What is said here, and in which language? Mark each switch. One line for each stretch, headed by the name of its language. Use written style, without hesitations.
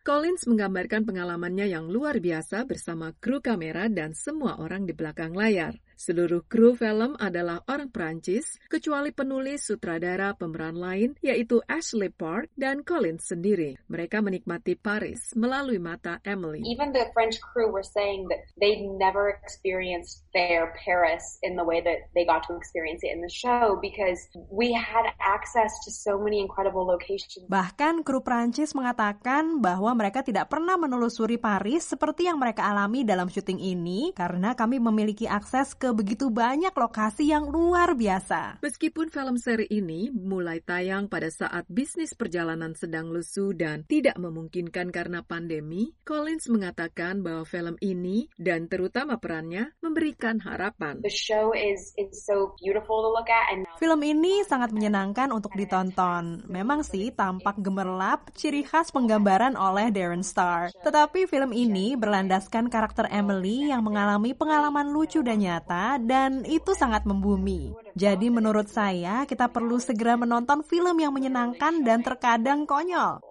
Indonesian: Collins menggambarkan pengalamannya yang luar biasa bersama kru kamera dan semua orang di belakang layar. Seluruh kru film adalah orang Prancis, kecuali penulis, sutradara, pemeran lain, yaitu Ashley Park dan Collins sendiri. Mereka menikmati Paris melalui mata Emily.
English: Even the French crew were saying that they'd never experienced their Paris in the way that they got to experience it in the show because we had access to so many incredible locations.
Indonesian: Bahkan kru Prancis mengatakan bahwa mereka tidak pernah menelusuri Paris seperti yang mereka alami dalam syuting ini karena kami memiliki akses ke begitu banyak lokasi yang luar biasa. Meskipun film seri ini mulai tayang pada saat bisnis perjalanan sedang lesu dan tidak memungkinkan karena pandemi, Collins mengatakan bahwa film ini dan terutama perannya memberikan harapan.
English: The show is so beautiful to look at and
Indonesian: film ini sangat menyenangkan untuk ditonton. Memang sih tampak gemerlap ciri khas penggambaran oleh Darren Star. Tetapi film ini berlandaskan karakter Emily yang mengalami pengalaman lucu dan nyata. Dan itu sangat membumi. Jadi menurut saya, kita perlu segera menonton film yang menyenangkan dan terkadang konyol.